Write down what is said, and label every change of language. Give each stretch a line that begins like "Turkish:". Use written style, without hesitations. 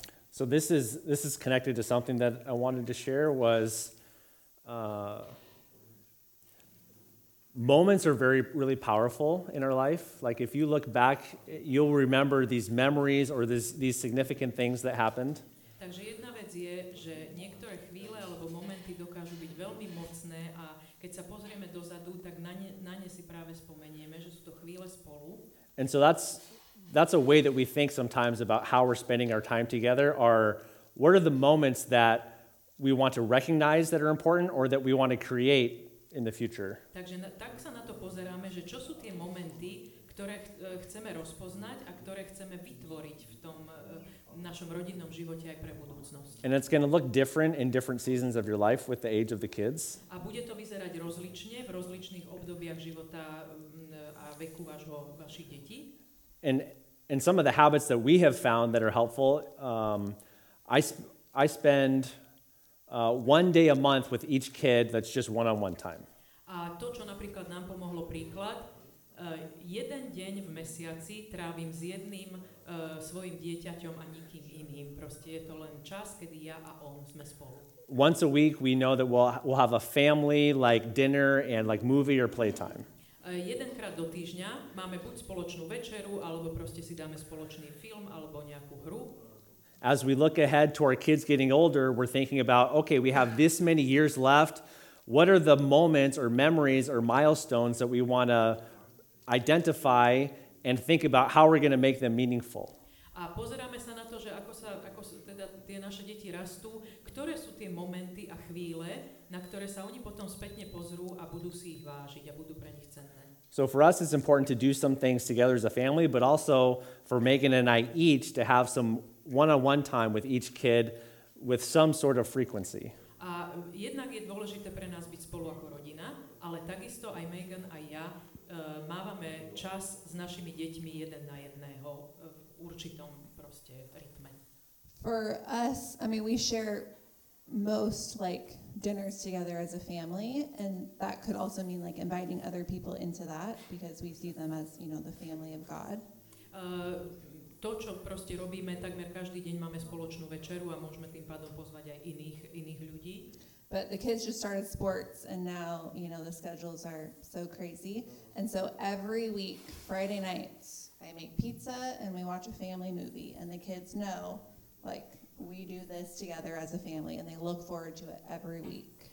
English: so this is connected to something that I wanted to share was moments are very, really powerful in our life. Like if you look back, you'll remember these memories or these significant things that happened.
Slovak: Takže jedna vec je, že niektoré chvíle alebo momenty dokážu byť veľmi mocné a keď sa pozrieme dozadu, tak na ne si práve spomenieme, že sú to chvíle spolu.
English: And so that's a way that we think sometimes about how we're spending our time together are what are the moments that we want to recognize that are important or that we want to create in the future.
Slovak: Takže tak sa na to pozeráme, že čo sú tie momenty, ktoré chceme rozpoznať a ktoré chceme vytvoriť v tom našom rodinnom živote aj pre budúcnosť.
English: And it's going to look different in different seasons of your life with the age of the kids.
Slovak: A bude to vyzerať rozlične v rozličných obdobiach života a veku vašich detí.
English: And some of the habits that we have found that are helpful, I spend one day a month with each kid that's just one-on-one time.
Slovak: A to, čo napríklad nám pomohlo príklad, jeden deň v mesiaci trávim s jedným svojim dieťaťom a nikým iným. Proste je to len čas, kedy ja a on sme spolu.
English: Once a week we know that we'll have a family like dinner and like movie or playtime.
Slovak: Jedenkrát do týždňa máme buď spoločnú večeru, alebo proste si dáme spoločný film, alebo nejakú hru.
English: As we look ahead to our kids getting older, we're thinking about, okay, we have this many years left. What are the moments or memories or milestones that we want to identify and think about how we're going to make them meaningful?
Slovak: A pozeráme sa na to, že ako sa teda tie naše deti rastú, ktoré sú tie momenty a chvíle, na ktoré sa oni potom spätne pozrú a budú si ich vážiť a budú pre nich cenné.
English: So for us it's important to do some things together as a family, but also for Megan and I each to have some one-on-one time with each kid with some sort of frequency.
Slovak: A jednak je dôležité pre nás byť spolu ako rodina, ale takisto aj Megan a ja mávame čas s našimi deťmi jeden na jedného v určitom proste rytme.
English: For us, I mean, we share most like dinners together as a family, and that could also mean like inviting other people into that because we see them as, you know, the family of God.
Slovak: To, čo proste robíme, takmer každý deň máme spoločnú večeru a môžeme tým pádom pozvať aj iných ľudí.
English: But the kids just started sports and now, you know, the schedules are so crazy. And so every week, Friday nights, I make pizza and we watch a family movie. And the kids know, like, we do this together as a family and they look forward to it every week.